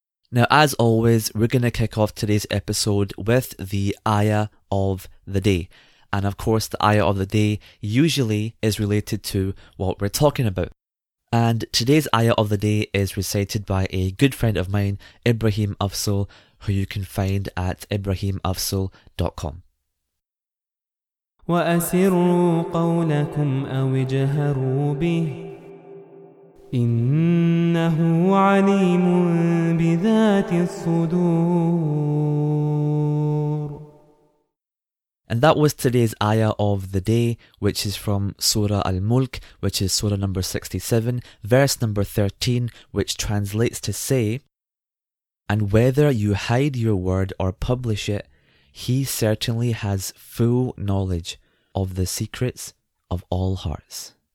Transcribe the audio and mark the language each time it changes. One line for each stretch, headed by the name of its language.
English: Now, as always, we're going to kick off today's episode with the ayah of the day. And of course, the ayah of the day usually is related to what we're talking about. And today's ayah of the day is recited by a good friend of mine, Ibrahim Afsal, who you can find at ibrahimafsal.com.
Arabic: وَأَسِرُوا قَوْلَكُمْ أَوِ جَهَرُوا بِهِ إنه عليم بذات الصدور.
English: And that was today's ayah of the day, which is from Surah Al-Mulk, which is Surah number 67, verse number 13, which translates to say, "And whether you hide your word or publish it, he certainly has full knowledge of the secrets of all hearts."